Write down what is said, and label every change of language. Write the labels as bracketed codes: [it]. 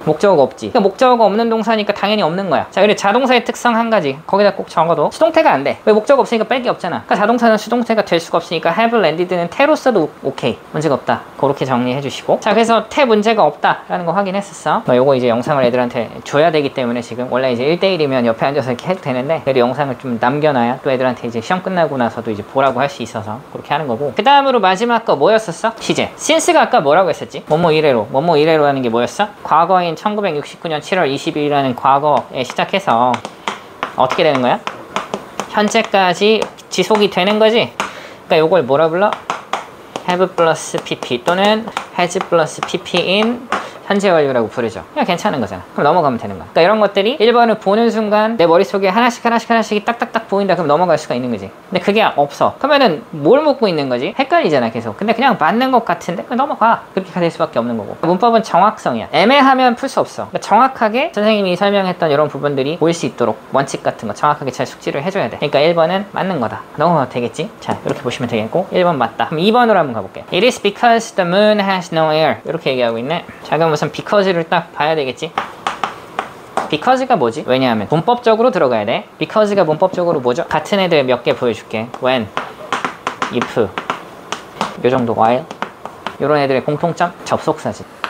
[ko] 목적어가 없지 그러니까 목적어가 없는 동사니까 당연히 없는 거야 자 그리고 자동사의 특성 한 가지 거기다 꼭 적어도 수동태가 안 돼 왜 목적어 없으니까 뺄 게 없잖아 그러니까 자동사는 수동태가 될 수가 없으니까 have landed는 태로 써도 오케이 문제가 없다 그렇게 정리해 주시고 자 그래서 태 문제가 없다라는 거 확인했었어 너 요거 이제 영상을 애들한테 줘야 되기 때문에 지금 원래 이제 1대1이면 옆에 앉아서 이렇게 해도 되는데 그래도 영상을 좀 남겨놔야 또 애들한테 이제 시험 끝나고 나서도 이제 보라고 할 수 있어서 그렇게 하는 거고 그 다음으로 마지막 거 뭐였었어? 시제 since가 아까 뭐라고 했었지? 뭐뭐 이래로 뭐뭐 이래로 하는 게 뭐였어? 과거인 1969년 7월 20일이라는 과거에 시작해서 어떻게 되는 거야? 현재까지 지속이 되는 거지? 그러니까 이걸 뭐라 불러? have plus pp 또는 has plus pp in 현재 완료라고 부르죠. 그냥 괜찮은 거잖아. 그럼 넘어가면 되는 거야. 그러니까 이런 것들이 1번을 보는 순간 내 머릿속에 하나씩 하나씩 하나씩 딱딱딱 보인다. 그럼 넘어갈 수가 있는 거지. 근데 그게 없어. 그러면은 뭘 묻고 있는 거지? 헷갈리잖아 계속. 근데 그냥 맞는 것 같은데? 그럼 넘어가. 그렇게 될 수밖에 없는 거고. 문법은 정확성이야. 애매하면 풀 수 없어. 그러니까 정확하게 선생님이 설명했던 이런 부분들이 보일 수 있도록 원칙 같은 거 정확하게 잘 숙지를 해줘야 돼. 그러니까 1번은 맞는 거다. 넘어가도 되겠지? 자 이렇게 보시면 되겠고 1번 맞다. 그럼 2번으로 한번 가볼게. [en] It is because the moon has no air. [ko] 이렇게 얘기하고 있네. 자, 우선 because를 딱 봐야 되겠지? because가 뭐지? 왜냐하면 문법적으로 들어가야 돼. because가 문법적으로 뭐죠? 같은 애들 몇 개 보여줄게. when, if, 요 정도 while 요런 애들의 공통점? 접속사지.